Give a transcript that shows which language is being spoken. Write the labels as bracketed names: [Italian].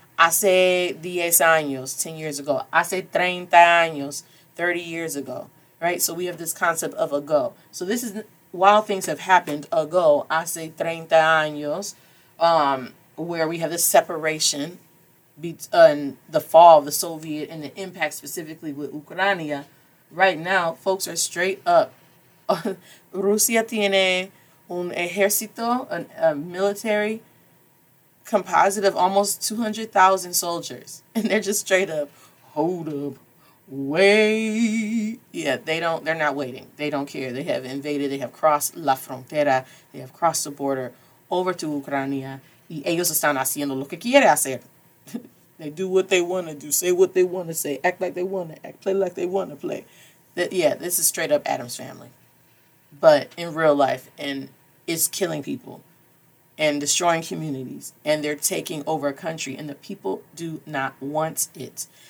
[Spanish] Hace 10 años, [English] 10 years ago, [Spanish] hace 30 años, [English] 30 years ago, right? So we have this concept of ago. So this is, while things have happened ago, [Spanish] hace 30 años, [English] where we have this separation, the fall of the Soviet and the impact specifically with Ucrania, right now, folks are straight up. [Spanish] Rusia tiene un ejército, [English] a military composite of almost 200,000 soldiers. And they're just straight up, hold up, wait. Yeah, they're not waiting. They don't care. They have invaded. They have crossed [Spanish] la frontera. [English] They have crossed the border over to Ucrania. [Spanish] Y ellos están haciendo lo que quiere hacer. [English] They do what they want to do, say what they want to say, act like they want to act, play like they want to play. Yeah, this is straight up Adam's Family. But in real life, and it's killing people and destroying communities, and they're taking over a country, and the people do not want it.